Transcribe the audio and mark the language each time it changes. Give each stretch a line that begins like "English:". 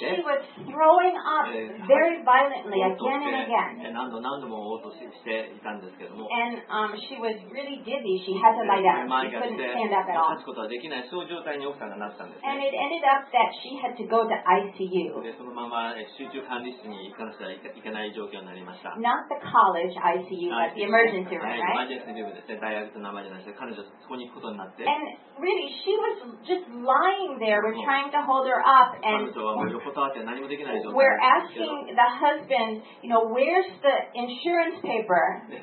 English: She was throwing up very violently again and again.
Japanese: 何度何度も嘔吐していたんですけども、
English: And she was really dizzy. She had to lie down. She couldn't stand up at all.
Japanese: 立つことはできない、そういう状態に奥さんがなったんです、ね。
English: And it ended up that she had to go to ICU.
Japanese: で、そのまま集中管理室に行かなくてはいけない状況になりました。
English: Not the college ICU, but the emergency room, right?
Japanese: はい、エマージェンシールームですね。大学の名前じゃなくて、彼女はそこに行くことになって、
English: And really, she was just lying there. We're trying to hold her up, and we're asking the husband, you know, where's the insurance paper?